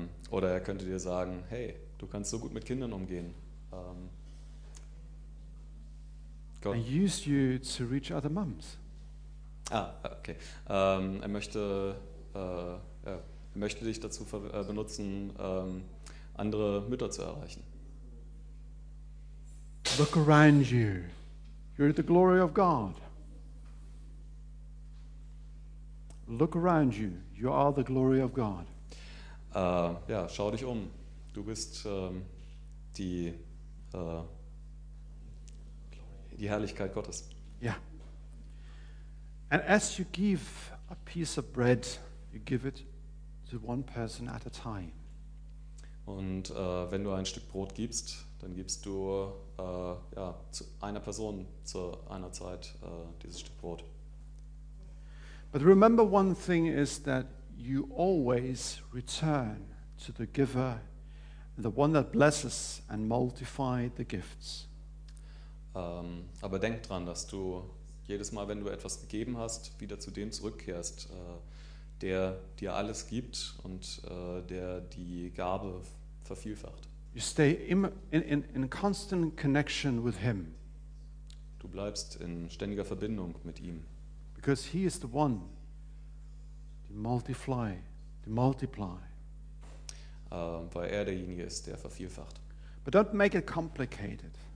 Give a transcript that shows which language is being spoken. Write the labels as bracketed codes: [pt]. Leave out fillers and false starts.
[de] Oder er könnte dir sagen, hey, du kannst so gut mit Kindern umgehen. [en] God. And use you to reach other moms. Ah, okay. [de] Er möchte dich dazu benutzen, andere Mütter zu erreichen. [en] Look around you. You're the glory of God. Look around you. You are the glory of God. [de] Ja, schau dich um. Du bist die Herrlichkeit Gottes. Yeah. [en] And as you give a piece of bread, you give it to one person at a time. [de] Und wenn du ein Stück Brot gibst, dann gibst du ja, zu einer Person zu einer Zeit dieses Stück Brot. [en] But remember one thing is that you always return to the giver, the one that blesses and multiplies the gifts. [de] Aber denk dran, dass du jedes Mal, wenn du etwas gegeben hast, wieder zu dem zurückkehrst, der dir alles gibt und der die Gabe vervielfacht. [en] You stay in constant connection with him. [de] Du bleibst in ständiger Verbindung mit ihm. [en] Because he is the one. Multiply, to multiply. [de] Weil er derjenige ist, der vervielfacht. [en] But don't make it complicated.